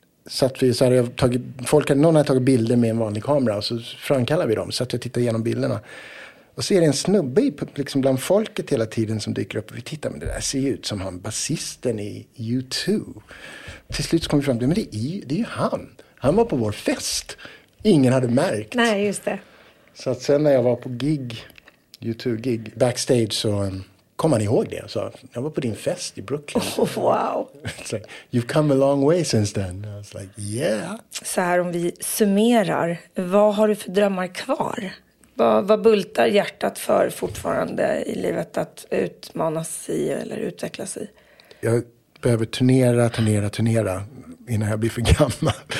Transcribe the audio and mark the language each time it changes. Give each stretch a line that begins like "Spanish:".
Swedish: någon hade tagit bilder med en vanlig kamera, och så framkallar vi dem, så att jag tittar igenom bilderna och ser en snubbe liksom bland folket hela tiden som dyker upp, och vi tittar, men det där ser ju ut som han, basisten i U2. Till slut så kom vi fram, men det är ju han var på vår fest, ingen hade märkt. Nej, just det. Så att sen när jag var på gig, U2-gig backstage, så kom han ihåg det och sa, jag var på din fest i Brooklyn.
English: Oh, wow. It's like, you've come a long way since then. I was like, yeah.
Swedish: Så här, om vi summerar, vad har du för drömmar kvar? Vad bultar hjärtat för fortfarande i livet att utmanas i eller utvecklas i? Jag behöver turnera innan jag blir för gammal.